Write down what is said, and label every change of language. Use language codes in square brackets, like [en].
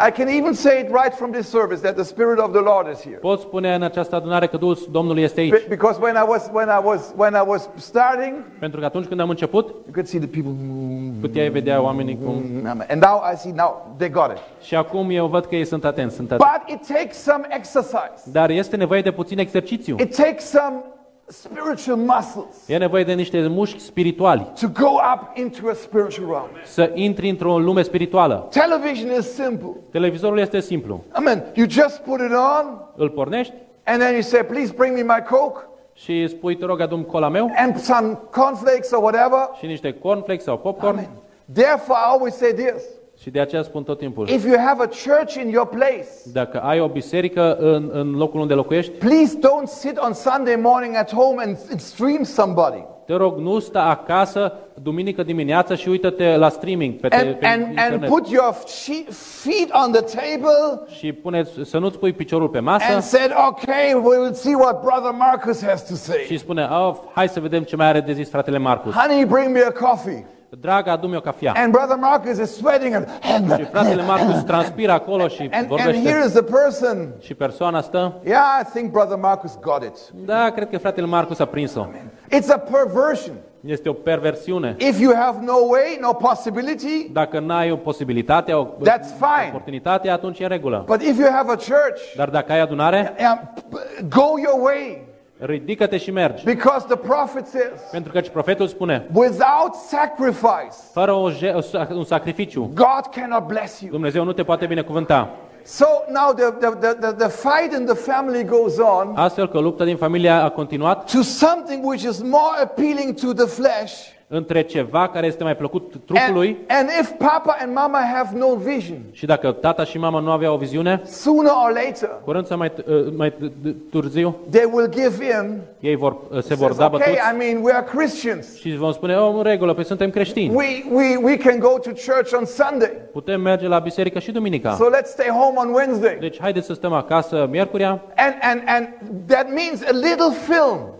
[en] I can even say it right from this service that the Spirit of the Lord is here. [ro] Pot spune în această adunare că Duhul Domnului este aici. [en] Because when I was starting, [ro] pentru că atunci când am început, [en] you could see the people. [ro] Puteai vedea oamenii cum. [en] And now I see, now they got it. [ro] Și acum eu văd că ei sunt atenți, sunt atenți. [en] But it takes some exercise. [ro] Dar este nevoie de puțin exercițiu. [en] It takes some spiritual muscles. [ro] E nevoie de niște mușchi spirituali. [en] To go up into a spiritual realm. [ro] Să intri într-o lume spirituală. [en] Television is simple. [ro] Televizorul este simplu. [en] Amen. You just put it on. [ro] Îl pornești. [en] And then you say, please bring me my Coke. [ro] Și spui, te rog, adu-mi cola meu. [en] And some cornflakes or whatever. [ro] Și niște cornflakes sau popcorn. [en] Amen. Therefore, I always say this. [ro] Și de aceea spun tot timpul. [en] If you have a church in your place. [ro] Dacă ai o biserică în locul unde locuiești. [en] Please don't sit on Sunday morning at home and stream somebody. [ro] Te rog, nu sta acasă duminică dimineața și uită-te la streaming pe internet. [en] And put your feet on the table. [ro] Și să nu-ți pui piciorul pe masă. [en] And said, okay, we'll see what brother Marcus has to say. [ro] Și spune, oh, hai să vedem ce mai are de zis fratele Marcus. [en] Honey, bring me a coffee. [ro] Draga, adu-mi o cafea. [en] And brother Marcus is sweating. [ro] Și fratele Marcus transpiră acolo și vorbește. [en] And here is the person. [ro] Și persoana stă. [en] Yeah, I think brother Marcus got it. [ro] Da, cred că fratele Marcus a prins-o. [en] It's a perversion. [ro] Este o perversiune. [en] If you have no way, no possibility. [ro] Dacă n-ai o posibilitate, o oportunitate, atunci e regulă. [en] But if you have a church. [ro] Dar dacă ai adunare. [en] Go your way. [ro] Ridică-te și mergi. [en] Because the prophet says. [ro] Pentru că și profetul spune. [en] Without sacrifice. [ro] Fără un sacrificiu. [en] God cannot bless you. [ro] Dumnezeu nu te poate binecuvânta. [en] So now the fight in the family goes on. [ro] Astfel că lupta din familie a continuat. [en] To something which is more appealing to the flesh. [ro] Între ceva care este mai plăcut trupului. [en] And if papa and mama have no vision. [ro] Și dacă tata și mama nu aveau o viziune. [en] Sooner or later. [ro] Curând sau mai târziu. [en] They will give in. [ro] Ei vor da bătuți. [en] Okay, I mean, we are Christians. [ro] Și vom spune, oh, în regulă, păi suntem creștini. [en] We can go to church on Sunday. [ro] Putem merge la biserică și duminica. [en] So let's stay home on Wednesday. [ro] Deci haideți să stăm acasă miercuria. [en] And that means a little film.